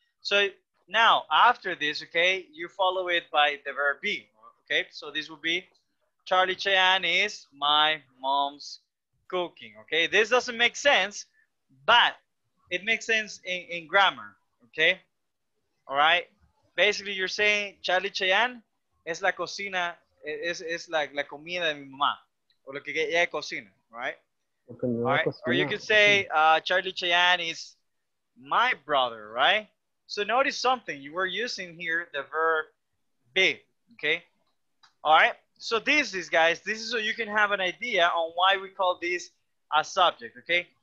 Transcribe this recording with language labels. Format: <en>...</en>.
<en>So now, after this, okay, you follow it by the verb be, okay? So this would be, Charlie Cheyenne is my mom's cooking, okay? This doesn't make sense, but it makes sense in grammar, okay? All right? Basically, you're saying Charlie Cheyenne</en> <es>es la cocina. Es</es> <en>like</en> <es>la comida de mi mamá, o lo que ella cocina,</es> <en>right? Or you could say, Charlie Cheyenne is my brother, right? So notice something, you were using here the verb be, okay? All right, so this is, guys, so you can have an idea on why we call this a subject, okay?</en>